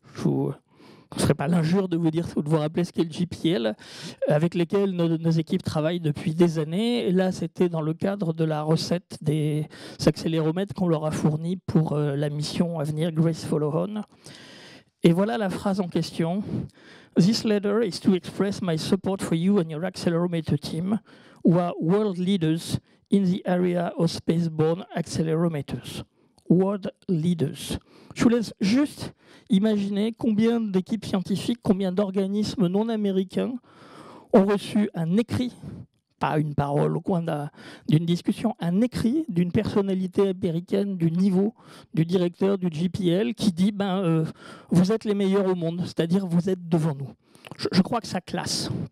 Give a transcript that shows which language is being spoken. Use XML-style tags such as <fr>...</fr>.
<fr>Je ne ferai pas l'injure de vous rappeler ce qu'est le GPL, avec lesquels nos équipes travaillent depuis des années. Et là, c'était dans le cadre de la recette des accéléromètres qu'on leur a fournis pour la mission à venir, Grace Follow-On. Et voilà la phrase en question.</fr> <en>« This letter is to express my support for you and your accelerometer team, who are world leaders in the area of spaceborne accelerometers. » World leaders.</en> <fr>Je vous laisse juste imaginer combien d'équipes scientifiques, combien d'organismes non américains ont reçu un écrit, pas une parole au coin d'une discussion, un écrit d'une personnalité américaine du niveau du directeur du GPL qui dit « vous êtes les meilleurs au monde, c'est-à-dire vous êtes devant nous ». Je crois que ça classe.</fr>